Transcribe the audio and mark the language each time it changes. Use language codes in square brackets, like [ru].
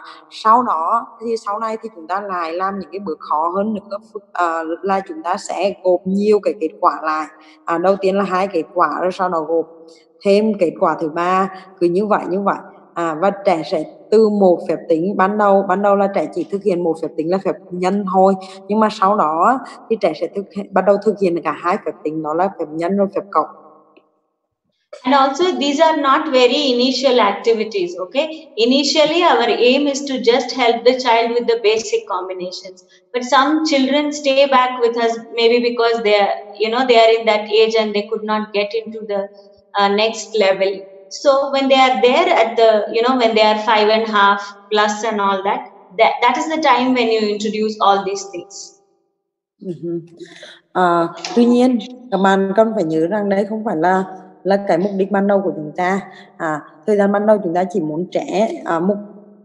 [vi] Sau đó thì sau này thì chúng ta lại làm những cái bước khó hơn nữa, là chúng ta sẽ gộp nhiều cái kết quả lại, đầu tiên là hai kết quả, rồi sau đó gộp thêm kết quả thứ ba, cứ như vậy, và trẻ sẽ từ một phép tính, ban đầu là trẻ chỉ thực hiện một phép tính là phép nhân thôi, nhưng mà sau đó thì trẻ sẽ bắt đầu thực hiện cả hai phép tính, đó là phép nhân và phép cộng. [en] And also these are not very initial activities, okay? Initially our aim is to just help the child with the basic combinations. But some children stay back with us maybe because they are in that age and they could not get into the next level. So when they are there at the, you know, when they are 5.5 plus and all that, that is the time when you introduce all these things. Mm-hmm. [vi] Tuy nhiên, các bạn cần phải nhớ rằng đấy không phải là cái mục đích ban đầu của chúng ta. Thời gian ban đầu chúng ta chỉ muốn trẻ,